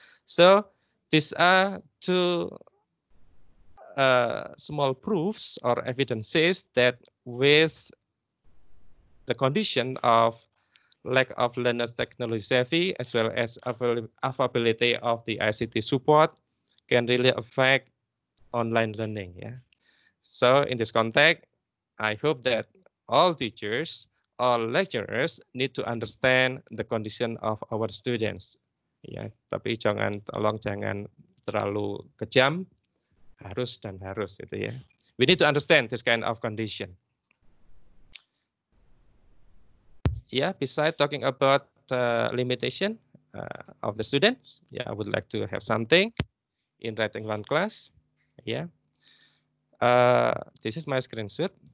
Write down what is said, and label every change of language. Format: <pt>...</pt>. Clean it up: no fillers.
<en>So these are two small proofs or evidences that with the condition of lack of learner's technology savvy as well as availability of the ICT support can really affect online learning. Yeah. So in this context, I hope that all teachers, all lecturers need to understand the condition of our students. Yeah.</en> <id>Tapi jangan, tolong jangan terlalu kejam, harus dan harus itu ya.</id> <en>We need to understand this kind of condition. Yeah, besides talking about limitation of the students, yeah, I would like to have something in writing one class. Yeah, this is my screenshot.</en>